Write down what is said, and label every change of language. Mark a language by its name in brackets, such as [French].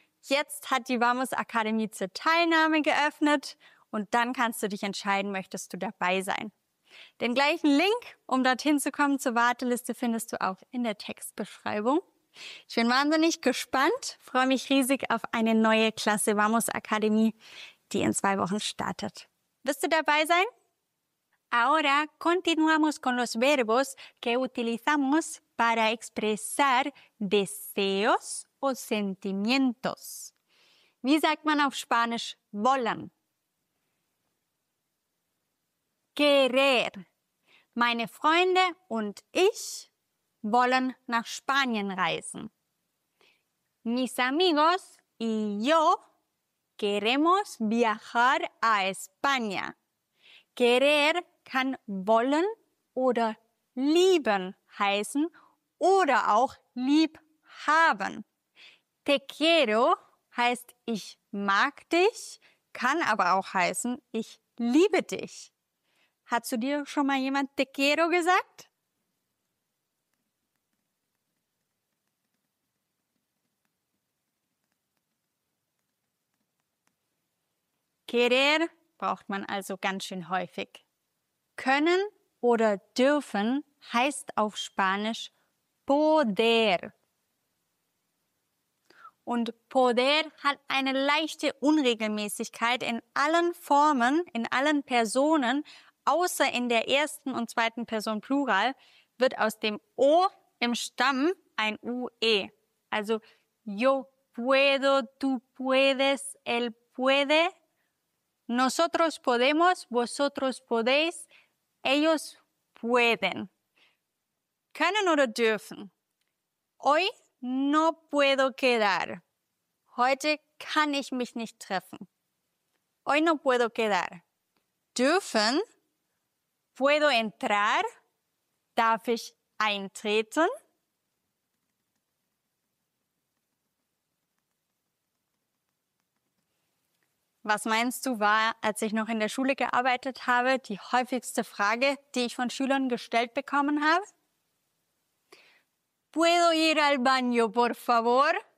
[German] Jetzt hat die Vamos Akademie zur Teilnahme geöffnet und dann kannst du dich entscheiden, möchtest du dabei sein. Den gleichen Link, um dorthin zu kommen zur Warteliste, findest du auch in der Textbeschreibung. Ich bin wahnsinnig gespannt, freue mich riesig auf eine neue Klasse Vamos Akademie, die in 2 Wochen startet. Wirst du dabei sein? [Spanish] Ahora continuamos con los verbos que utilizamos para expresar deseos o sentimientos. [German] Wie sagt man auf Spanisch wollen? Querer. Meine Freunde und ich wollen nach Spanien reisen. [Spanish] Mis amigos y yo queremos viajar a España. [German] Querer kann wollen oder lieben heißen oder auch lieb haben. [Spanish] Te quiero [German] heißt ich mag dich, kann aber auch heißen ich liebe dich. Hat zu dir schon mal jemand [Spanish] te quiero [German] gesagt? Querer braucht man also ganz schön häufig. Können oder dürfen heißt auf Spanisch poder. Und poder hat eine leichte Unregelmäßigkeit in allen Formen, in allen Personen, außer in der ersten und zweiten Person Plural, wird aus dem O im Stamm ein UE. [Spanish] Also yo puedo, tú puedes, él puede. Nosotros podemos, vosotros podéis, ellos pueden. [German] Können oder dürfen. [Spanish] Hoy no puedo quedar. [German] Heute kann ich mich nicht treffen. [Spanish] Hoy no puedo quedar. [German] Dürfen. [Spanish] Puedo entrar. [German] Darf ich eintreten? Was meinst du, war, als ich noch in der Schule gearbeitet habe, die häufigste Frage, die ich von Schülern gestellt bekommen habe? [Spanish] ¿Puedo ir al baño, por favor?